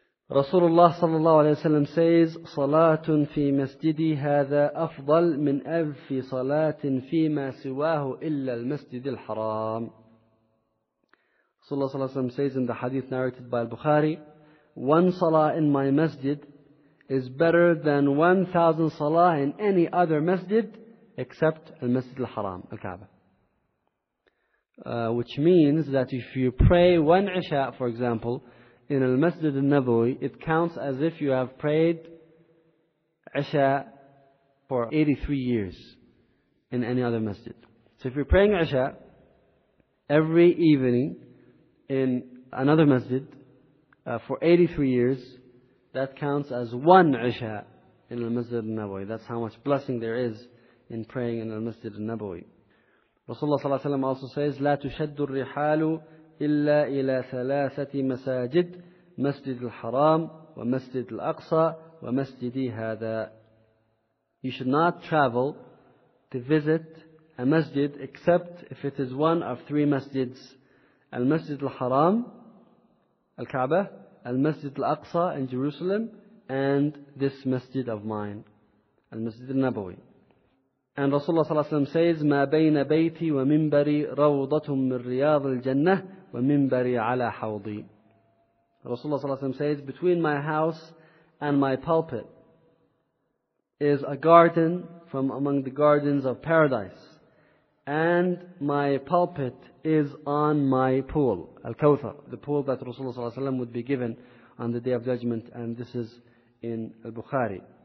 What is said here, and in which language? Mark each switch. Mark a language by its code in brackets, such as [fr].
[ar] Rasulullah sallallahu alayhi wa sallam says, صَلَاةٌ فِي مَسْجِدِي هَذَا أَفْضَلْ مِنْ أَلْفِ صَلَاةٍ فِي مَا سِوَاهُ إِلَّا الْمَسْجِدِ الْحَرَامِ. [en] Rasulullah sallallahu alayhi wa sallam says in the hadith narrated by Al-Bukhari, one salah in my masjid is better than 1,000 salah in any other masjid except al-Masjid al-Haram, al-Kaaba. Which means that if you pray one Isha, for example, in al-Masjid al-Nabawi, it counts as if you have prayed Isha for 83 years in any other masjid. So if you're praying Isha every evening in another masjid, for 83 years, that counts as one Isha in Al-Masjid Al-Nabawi. That's how much blessing there is in praying in Al-Masjid Al-Nabawi. [ar] Rasulullah ﷺ [en] also says, [ar] لا تشد الرحال إلا إلى ثلاثة مساجد مسجد الحرام ومسجد الأقصى ومسجدي هذا. [en] You should not travel to visit a masjid except if it is one of three masjids. Al-Masjid Al-Haram, Al-Kaaba, Al-Masjid Al-Aqsa in Jerusalem, and this masjid of mine, Al-Masjid Al-Nabawi. [ar] And Rasulullah ﷺ says, مَا بَيْنَ بَيْتِي وَمِنْبَرِي رَوْضَةٌ مِنْ رِيَاضِ الْجَنَّةِ وَمِنْبَرِي عَلَى حَوْضِي. [en] Rasulullah ﷺ says, between my house and my pulpit is a garden from among the gardens of paradise, and my pulpit is on my pool, Al-Kawthar, the pool that Rasulullah ﷺ would be given on the Day of Judgment, and this is in Al-Bukhari.